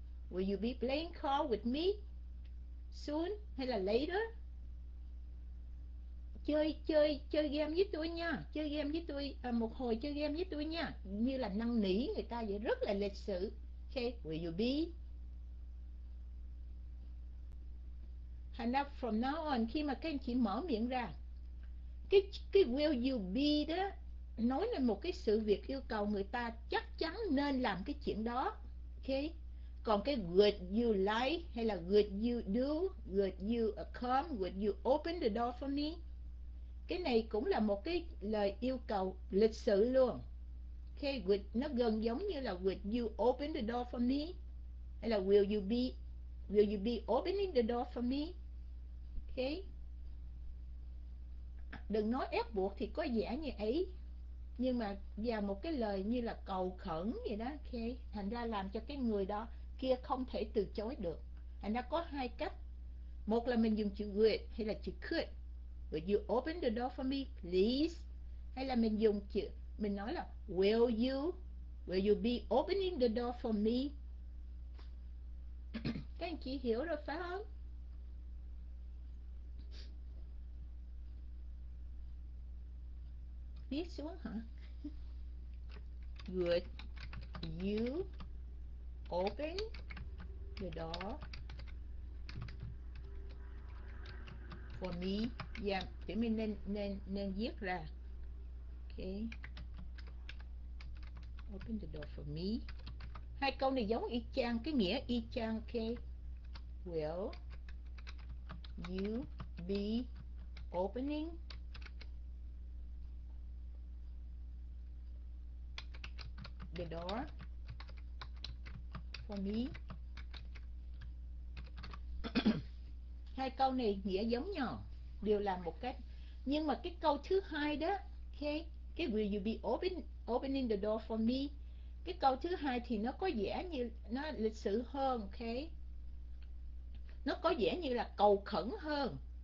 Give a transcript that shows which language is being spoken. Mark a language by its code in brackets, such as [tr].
[en] Will you be playing call with me soon? [vi] Hay là later? Chơi chơi chơi game với tôi nha, chơi game với tôi một hồi, chơi game với tôi nha, như là năn nỉ người ta vậy, rất là lịch sự. [en] Okay, will you be? [vi] Thành ra [en] from now on, [vi] khi mà các anh chị mở miệng ra cái [en] will you be [vi] đó, nói lên một cái sự việc yêu cầu, người ta chắc chắn nên làm cái chuyện đó. Okay, còn cái [en] would you like [vi] hay là [en] would you do, would you come, would you open the door for me, [vi] cái này cũng là một cái lời yêu cầu lịch sự luôn. [en] Okay, would, [vi] nó gần giống như là [en] would you open the door for me, [vi] hay là [en] will you be, will you be opening the door for me? Okay. [vi] Đừng nói ép buộc thì có vẻ như ấy, nhưng mà vào một cái lời như là cầu khẩn vậy đó. Okay, thành ra làm cho cái người đó kia không thể từ chối được. Thành ra có hai cách, một là mình dùng chữ would hay là chữ could. [en] Would you open the door for me please? [vi] Hay là mình dùng chữ, mình nói là [en] will you, will you be opening the door for me? [vi] Các anh chị hiểu rồi phải không? Viết xuống hả? [en] Would you open the door for me? [vi] Yeah, để mình nên viết ra. Okay. [en] Open the door for me. [vi] Hai câu này giống y chang, cái nghĩa y chang. [en] Okay. Will you be opening the door for me? [vi] Hai câu này nghĩa giống nhau, đều làm một cách. Nhưng mà cái câu thứ hai đó, okay, cái [en] will you be opening the door for me, [vi] cái câu thứ hai thì nó có vẻ như nó lịch sự hơn. Okay, nó có vẻ như là cầu khẩn hơn.